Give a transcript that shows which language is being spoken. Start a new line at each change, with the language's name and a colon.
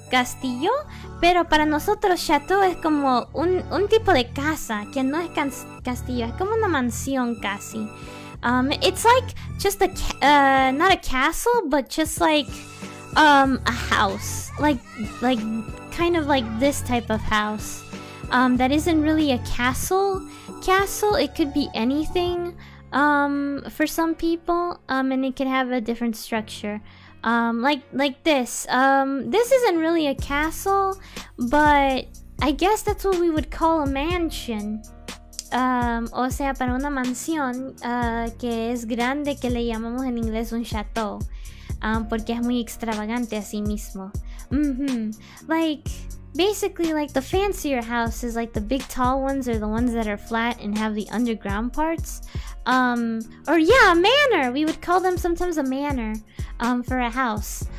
Spanish: castillo, pero para nosotros château es como un tipo de casa que no es castillo, es como una mansión casi.
English: It's like just a not a castle, but just like a house, like kind of like this type of house. That isn't really a castle. It could be anything. For some people, and it could have a different structure. Like this. This isn't really a castle, but I guess that's what we would call a mansion.
Spanish: O sea, para una mansión que es grande, que le llamamos en inglés un chateau, porque es muy extravagante a sí mismo. Mm-hmm.
English: Like, basically, like the fancier houses, like the big tall ones or the ones that are flat and have the underground parts. A manor. We would call them sometimes a manor, for a house.